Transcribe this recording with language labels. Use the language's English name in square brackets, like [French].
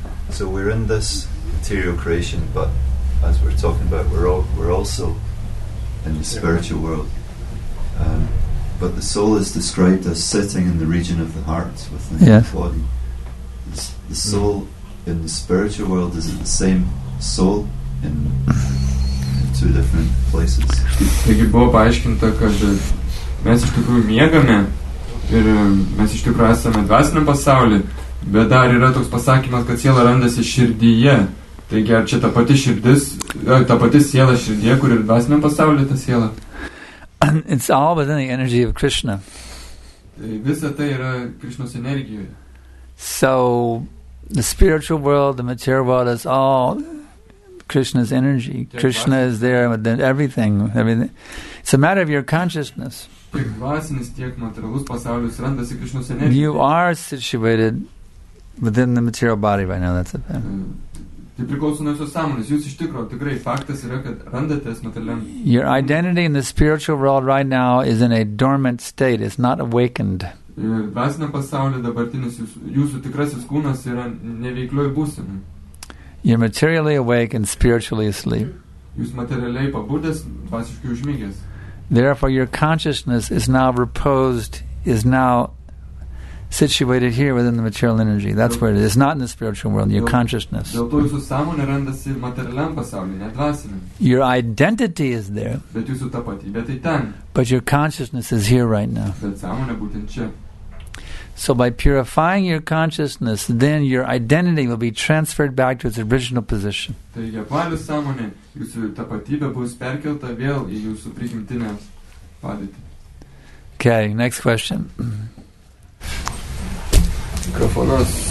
[English] So we're in this material creation, but as we're talking about, we're also in the spiritual world. But the soul is described as sitting in the region of the heart within the body. The soul in the spiritual world isn't the same soul in two different places. [Lithuanian] Taigi buvo paaiškinta, kad mes iš tikrųjų miegame ir mes iš tikrųjų esame dvasiniam pasaulyje, bet dar yra toks pasakymas, kad siela randasi širdyje. Taigi ar čia ta pati siela širdyje, kur ir dvasiniam pasaulyje ta siela? [English] It's all within the energy of Krishna. [Lithuanian] Tai visa tai yra Krishnos energijoje. [English] So, the spiritual world, the material world is all Krishna's energy. Krishna is there with everything. It's a matter of your consciousness. You are situated within the material body right now, that's a fact. [Lithuanian] Tai priklauso nuo jūsų sąmonės. Jūs iš tikro, tikrai faktas yra, kad randatės materialiam. [English] Your identity in the spiritual world right now is in a dormant state. It's not awakened. [Lithuanian] Dvasiniam pasaulyje dabartinis jūsų tikrasis kūnas yra neveikliojų būsenų. [English] You're materially awake and spiritually asleep. [Lithuanian] Jūs materialiai pabudęs, dvasiškai užmygęs. [English] Therefore, your consciousness is now reposed, is now situated here within the material energy. That's where it is. It's not in the spiritual world, your consciousness. [Lithuanian] Dėl to jūsų sąmonė randasi materialiam pasaulyje, ne dvasiniam. [English] Your identity is there. [Lithuanian] Bet jūsų tapatybė tai ten. [English] But your consciousness is here right now. [Lithuanian] Bet sąmonė būtent čia. [English] So by purifying your consciousness, then your identity will be transferred back to its original position. [Lithuanian] Taigi, apvalius sąmonė, jūsų tapatybė bus perkelta vėl į jūsų prigimtinę padėtį. [English] Okay, next question. [Lithuanian] Mikrofonas.